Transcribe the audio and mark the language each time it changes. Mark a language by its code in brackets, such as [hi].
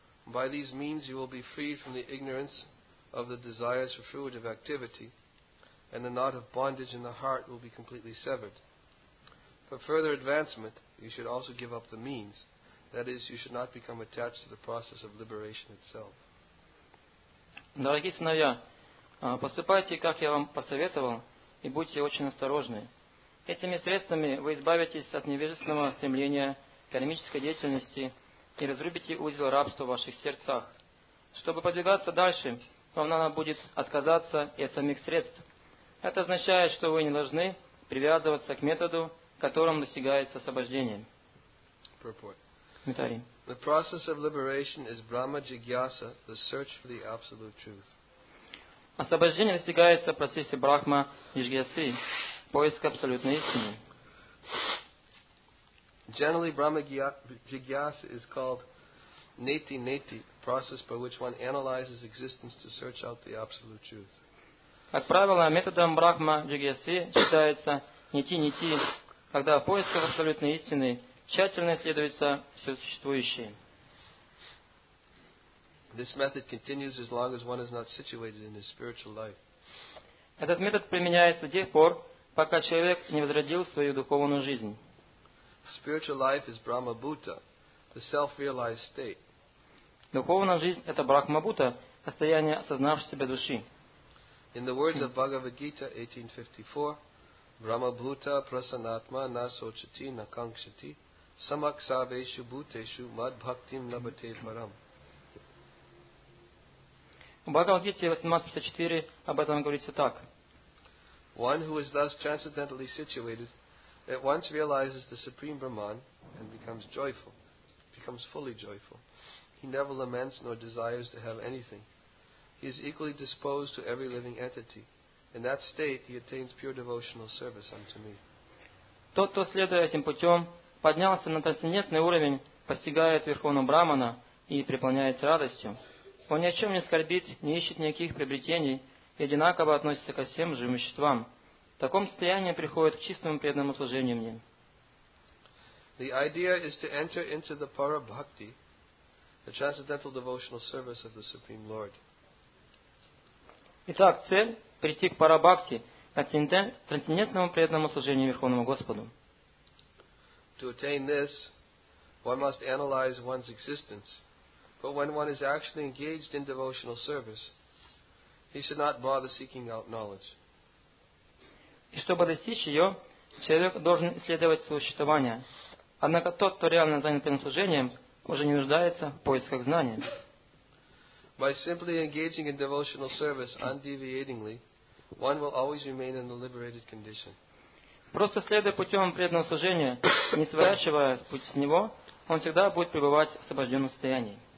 [en] By these means you will be freed from the ignorance of the desires for fruitive activity, and the knot of bondage in the heart will be completely severed. For further advancement, you should also give up the means. That is, you should not become attached to the process of liberation itself. [ru] Дорогие сыновья, поступайте, как я вам посоветовал, и будьте очень осторожны. Этими средствами вы избавитесь от невежественного стремления к кармической деятельности и разрубите узел рабства в ваших сердцах. Чтобы продвигаться дальше, вам надо будет отказаться и от самих средств. Это означает, что вы не должны привязываться к методу, которым достигается освобождение. [en] The process of liberation is Brahma Jigyasa, the search for the absolute truth. [ru] Освобождение достигается в процессе Брахма Джигьясы, поиска абсолютной истины. [en] Generally, Brahma Jigyasa is called Neti Neti, process by which one analyzes existence to search out the absolute truth. [ru] Как правило, методом Брахма Джигьясы считается Нити Нити, когда в поисках абсолютной истины тщательно исследуется все существующее. [en] This method continues as long as one is not situated in his spiritual life. [ru] Этот метод применяется до тех пор, пока человек не возродил свою духовную жизнь. [en] Spiritual life is Brahma Bhuta, the self-realized state. [ru] Духовная жизнь – это Брахма Бхута, состояние осознавшей себя души. [en] In the words of Bhagavad Gita 18:54, [sa] Brahma Bhuta prasanatma na sochati na kankshati samak saveshu bhuteshu mad bhaktim labhate param. [ru] В Бхагавад-гите 18:54 об этом говорится так. [en] One who is thus transcendentally situated at once realizes the Supreme Brahman and becomes fully joyful. He never laments nor desires to have anything. He is equally disposed to every living entity. In that state he attains pure devotional service unto me. [ru] Тот, кто следуя этим путем, поднялся на трансцендентный уровень, постигает Верховного Брахмана и преполняется радостью. Он ни о чем не скорбит, не ищет никаких приобретений и одинаково относится ко всем живым существам. В таком состоянии приходит к чистому преданному служению мне. [en] The idea is to enter into the para bhakti, the transcendental devotional service of the Supreme Lord. [ru] Итак, цель – прийти к пара бхакти, к трансцендентному преданному служению Верховному Господу. [en] To attain this, one must analyze one's existence. But when one is actually engaged in devotional service, he should not bother seeking out knowledge. [ru] И чтобы достичь ее, человек должен исследовать свое существование. Однако тот, кто реально занят преданным служением, уже не нуждается в поисках знания. [en] By simply engaging in devotional service undeviatingly, one will always remain in the liberated condition. [ru] Просто следуя путем преданного служения, не сворачивая с пути с него, он всегда будет пребывать в освобожденном состоянии.